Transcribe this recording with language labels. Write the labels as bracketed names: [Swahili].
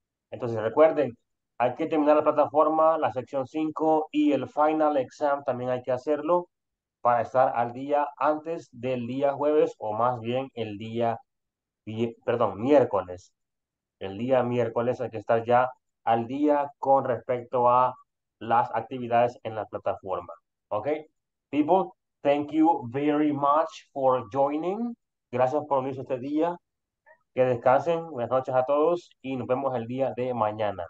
[Spanish] Entonces, recuerden, hay que terminar la plataforma, la sección 5 y el final exam también hay que hacerlo, para estar al día antes del día jueves, o más bien el día, perdón, miércoles. El día miércoles hay que estar ya al día con respecto a las actividades en la plataforma. [English] Okay, people, thank you very much for joining. [Spanish] Gracias por unirse este día. Que descansen. Buenas noches a todos y nos vemos el día de mañana.